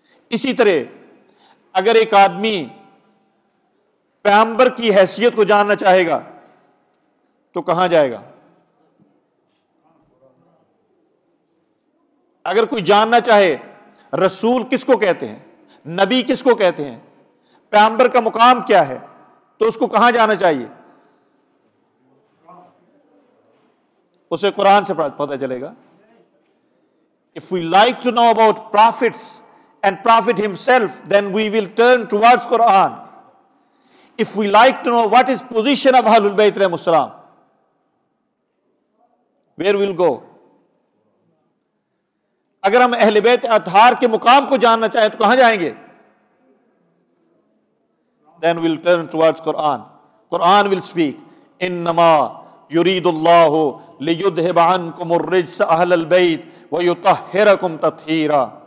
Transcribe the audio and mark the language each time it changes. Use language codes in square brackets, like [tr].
[ur] اسی طرح اگر ایک آدمی پیغمبر کی حیثیت کو جاننا چاہے گا تو کہاں جائے گا؟ اگر کوئی جاننا چاہے رسول کس کو کہتے ہیں, نبی کس کو کہتے ہیں, پیغمبر کا مقام کیا ہے, تو اس کو کہاں جانا چاہیے؟ اسے قرآن سے پتہ چلے گا. [en] If we like to know about prophets and prophet himself, then we will turn towards Quran. If we like to know what is position of Ahlul Bayt alayhi salam, where will go? [ur] اگر ہم اہل بیت اطہار کے مقام کو جاننا چاہیں تو کہاں جائیں گے؟ [en] Then we'll turn towards Quran. Quran will speak. [ar] انما یرید اللہ لیذہب عنکم الرجس اہل البیت ویطہرکم تطہیرا.